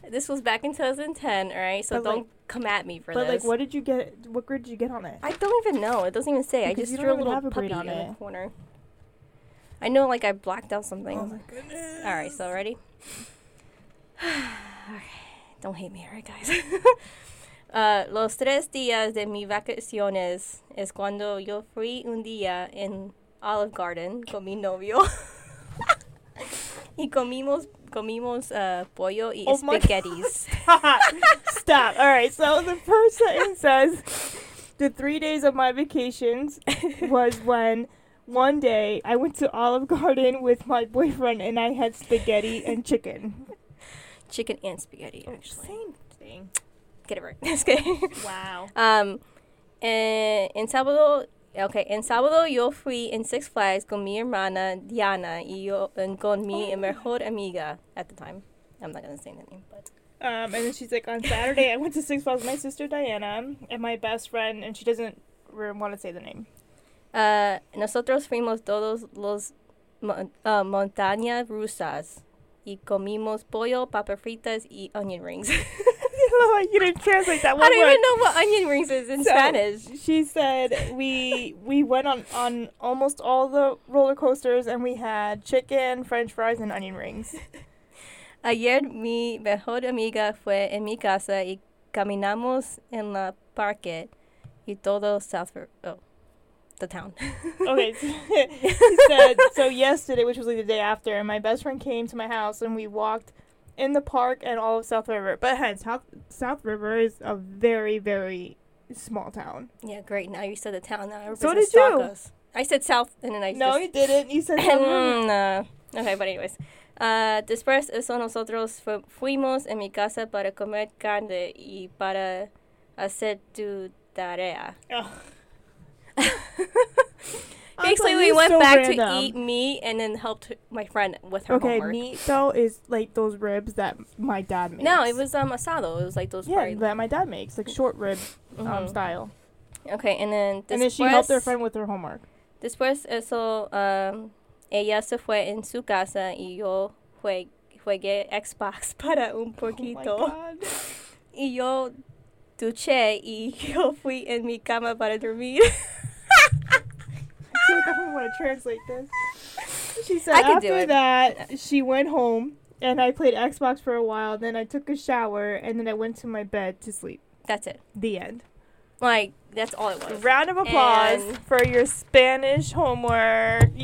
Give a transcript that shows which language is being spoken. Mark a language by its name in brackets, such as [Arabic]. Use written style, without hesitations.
[English] This was back in 2010, all right? So but don't like, come at me for but But, like, what did you get? What grade did you get on it? I don't even know. It doesn't even say. I just drew a little puppy on it. In the corner. I know, like, I blacked out something. Oh, my goodness. All right, so ready? All right. Don't hate me, all right, guys? [Spanish] los tres días de mis vacaciones es cuando yo fui un día en Olive Garden con mi novio. Y comimos pollo y espaguetis. [English] Stop. All right. So the first sentence says, the 3 days of my vacations was when one day I went to Olive Garden with my boyfriend and I had spaghetti and chicken. Chicken and spaghetti, actually. Oh, same thing. Get it right. That's good. Wow. [Spanish] En sábado yo fui en Six Flags con mi hermana Diana y yo and con mi mejor amiga [English] at the time. I'm not gonna say the name, but and then she's like, on Saturday I went to Six Flags with my sister Diana and my best friend, and she doesn't want to say the name. [Spanish] Nosotros fuimos todos los montañas rusas y comimos pollo, papas fritas y onion rings. [English] You didn't translate that one. I don't even know what onion rings is in Spanish. She said we went on almost all the roller coasters and we had chicken, french fries, and onion rings. [Spanish] Ayer mi mejor amiga fue en mi casa y caminamos en la parque y todo [English] the town. Okay. She said, so yesterday, which was like the day after, my best friend came to my house and we walked in the park and all of South River. But hence, South River is a very, very small town. Yeah, great. Now you said the town. Now so did you. Us. I said South and then I said... No, you didn't. You said South River. Okay, but anyways. [Spanish] Después eso nosotros fuimos en mi casa para comer carne y para hacer tu tarea. Ugh. [English] Basically, we went back to eat meat and then helped my friend with her homework. Okay, meat, though, is, like, those ribs that my dad makes. No, it was asado. It was, like, those fried... Yeah, that my dad makes, like, short rib style. Okay, and then... And then she helped her friend with her homework. [Spanish] Después eso, ella se fue en su casa y yo jugué Xbox para un poquito. [English] Oh, my God. [Spanish] Y yo duché y yo fui en mi cama para dormir. [English] I don't want to translate this. She said, after that, she went home, and I played Xbox for a while, then I took a shower, and then I went to my bed to sleep. That's it. The end. Like, that's all it was. Round of applause for your Spanish homework.